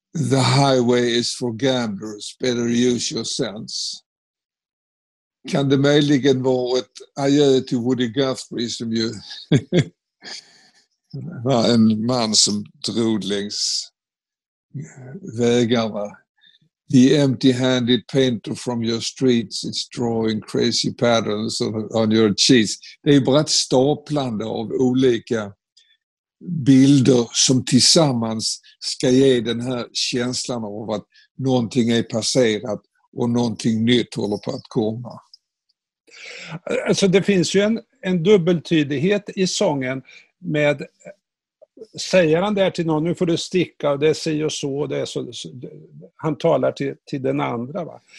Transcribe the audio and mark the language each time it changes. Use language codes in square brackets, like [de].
[en] The highway is for gamblers, better use your sense. [sv] Kan det möjligen vara ett adjö till Woody Guthrie som ju var en man som drog längs vägarna. [en] The empty-handed painter from your streets is drawing crazy patterns on your cheese. [sv] Det är bara ett staplande av olika bilder som tillsammans ska ge den här känslan av att någonting är passerat och någonting nytt håller på att komma. Alltså det finns ju en dubbeltydighet i sången med, säger han där till någon, nu får du sticka och det säger och så, det är så, han talar till den andra, va?